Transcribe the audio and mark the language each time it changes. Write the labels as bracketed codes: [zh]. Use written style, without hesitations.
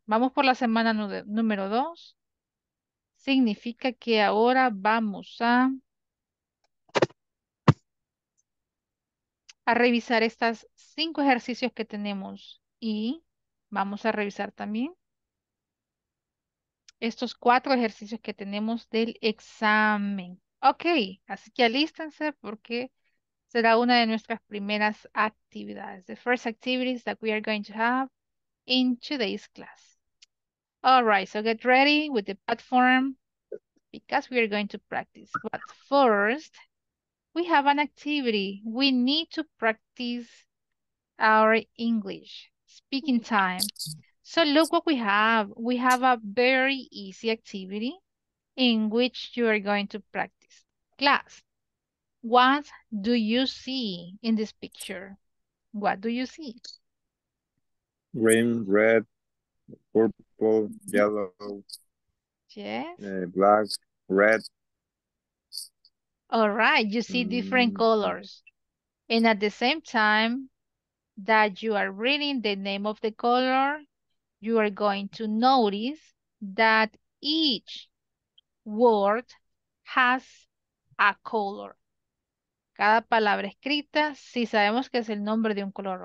[es] Vamos por la semana número 2. Significa que ahora vamos a revisar estos 5 ejercicios que tenemos y vamos a revisar también estos 4 ejercicios que tenemos del examen. Ok, así que alístense porque será una de nuestras primeras actividades. [en] The first activities that we are going to have in today's class. All right, so get ready with the platform because we are going to practice. But first, we have an activity. We need to practice our English speaking time. So look what we have. We have a very easy activity in which you are going to practice. Class, what do you see in this picture? What do you see? Green, red, purple, yellow, Yes. black, red. All right, you see different colors. And at the same time that you are reading the name of the color, you are going to notice that each word has a color. [es] Cada palabra escrita, sí sabemos que es el nombre de un color.